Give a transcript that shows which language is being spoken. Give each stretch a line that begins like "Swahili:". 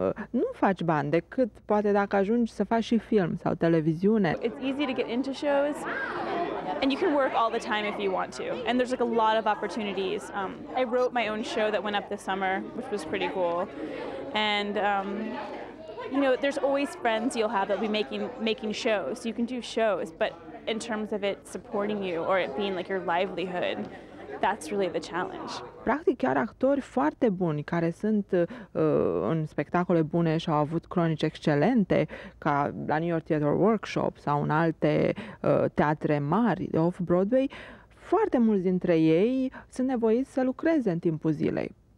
Romanian: Nu faci bani decât poate dacă ajungi să faci și film sau televiziune.
English: It's easy to get into shows. And you can work all the time if you want to. And there's like a lot of opportunities. I wrote my own show that went up this summer, which was pretty cool. And you know, there's always friends you'll have that'll be making shows. You can do shows, but in terms of it supporting you or it being like your livelihood, that's really the challenge.
Romanian: Practic chiar actori foarte buni care sunt în spectacole bune și au avut cronici excelente ca la New York Theatre Workshop sau în alte teatre mari de off-Broadway, foarte mulți dintre ei sunt nevoiți să lucreze în timpul zilei.